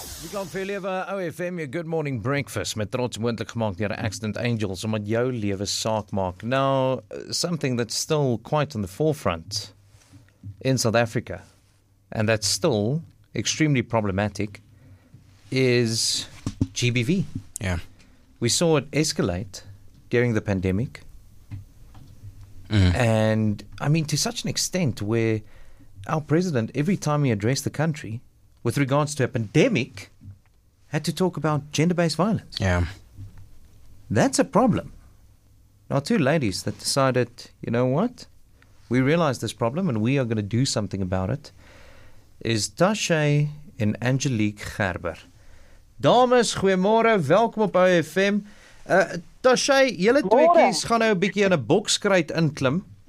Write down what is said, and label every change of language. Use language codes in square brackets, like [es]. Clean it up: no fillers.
[af] Ek gaan vir lewe OFM, your Good Morning Breakfast, met trots moontlik gemaak deur Accident Angels, omdat jou lewe saak maak. [en] Now, something that's still quite on the forefront in South Africa, and that's still extremely problematic, is GBV. Yeah. We saw it escalate during the pandemic. And, I mean, to such an extent where our president, every time he addressed the country with regards to a pandemic, had to talk about gender-based violence. Yeah. That's a problem. Now, two ladies that decided, you know what? We realize this problem and we are going to do something about it, is Tashe and Angelique Gerber. [af] Dames, goeiemôre, welkom op OFM. Tashe, julle tweeetjies gaan nou 'n bietjie in 'n bokskruit inklim.